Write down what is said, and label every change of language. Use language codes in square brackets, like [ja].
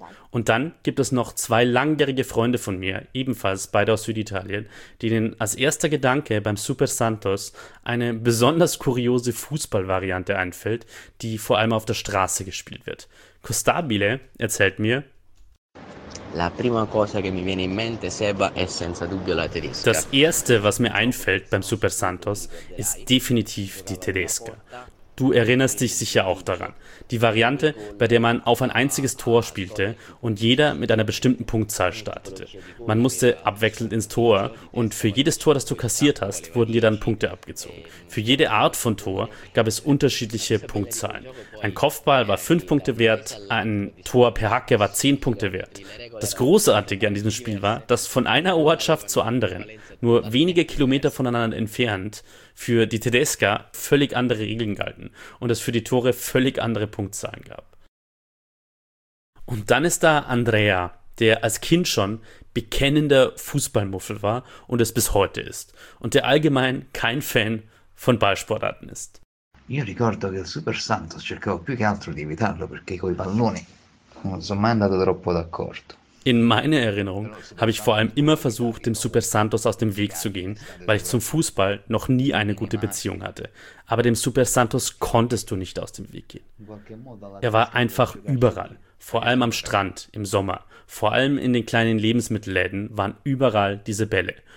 [de] Und dann gibt es noch 2 langjährige Freunde von mir, ebenfalls beide aus Süditalien, denen als erster Gedanke beim Super Santos eine besonders kuriose Fußballvariante einfällt, die vor allem auf der Straße gespielt wird. Costabile erzählt mir, [it] La prima cosa che mi viene in mente, Seba, è senza dubbio la tedesca. [de] Das erste, was mir einfällt beim Super Santos, ist definitiv die Tedesca. Du erinnerst dich sicher auch daran. Die Variante, bei der man auf ein einziges Tor spielte und jeder mit einer bestimmten Punktzahl startete. Man musste abwechselnd ins Tor und für jedes Tor, das du kassiert hast, wurden dir dann Punkte abgezogen. Für jede Art von Tor gab es unterschiedliche Punktzahlen. Ein Kopfball war 5 Punkte wert, ein Tor per Hacke war 10 Punkte wert. Das Großartige an diesem Spiel war, dass von einer Ortschaft zur anderen, nur wenige Kilometer voneinander entfernt, für die Tedesca völlig andere Regeln galten und es für die Tore völlig andere Punktzahlen gab. Und dann ist da Andrea, der als Kind schon bekennender Fußballmuffel war und es bis heute ist und der allgemein kein Fan von Ballsportarten ist. [it] Io ricordo che il Super Santos cercavo più che altro di evitarlo perché coi palloni non sono mai andato troppo d'accordo. [de] In meiner Erinnerung habe ich vor allem immer versucht, dem Super Santos aus dem Weg zu gehen, weil ich zum Fußball noch nie eine gute Beziehung hatte. Aber dem Super Santos konntest du nicht aus dem Weg gehen. Er war einfach überall, vor allem am Strand im Sommer, vor allem in den kleinen Lebensmittelläden waren überall diese Bälle.